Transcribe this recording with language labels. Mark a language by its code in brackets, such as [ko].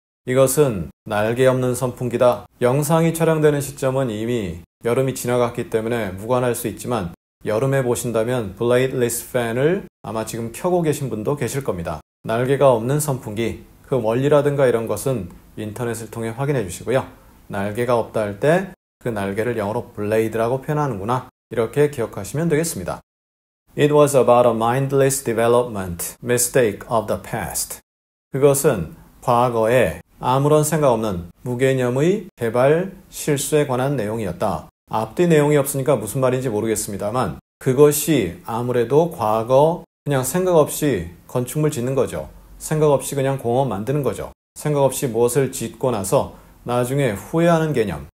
[ko] 이것은 날개 없는 선풍기다. 영상이 촬영되는 시점은 이미 여름이 지나갔기 때문에 무관할 수 있지만 여름에 보신다면 bladeless fan을 아마 지금 켜고 계신 분도 계실 겁니다. 날개가 없는 선풍기, 그 원리라든가 이런 것은 인터넷을 통해 확인해 주시고요. 날개가 없다 할 때 그 날개를 영어로 blade라고 표현하는구나 이렇게 기억하시면 되겠습니다. [en] It was about a mindless development mistake of the past. [ko] 그것은 과거에 아무런 생각 없는 무개념의 개발 실수에 관한 내용이었다. 앞뒤 내용이 없으니까 무슨 말인지 모르겠습니다만 그것이 아무래도 과거 그냥 생각 없이 건축물 짓는 거죠. 생각 없이 그냥 공원 만드는 거죠. 생각 없이 무엇을 짓고 나서 나중에 후회하는 개념.